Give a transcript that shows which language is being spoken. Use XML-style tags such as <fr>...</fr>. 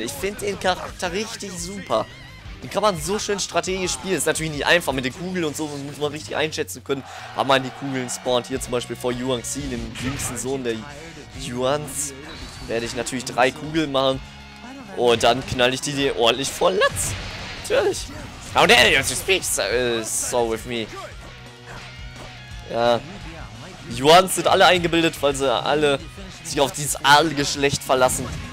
<de>Ich finde den Charakter richtig super. Den kann man so schön strategisch spielen. Ist natürlich nicht einfach mit den Kugeln und so. Das muss man richtig einschätzen können. Aber man die Kugeln spawnt hier zum Beispiel vor Yuan Xi, dem jüngsten Sohn der Yuans. Werde ich natürlich drei Kugeln machen. Und dann knall ich die ordentlich vor Latz. Natürlich.</de> <en>How dare you to speak so with me?</en> <de>Ja. Yuans sind alle eingebildet, weil sie alle sich auf dieses Adelgeschlecht verlassen.</de>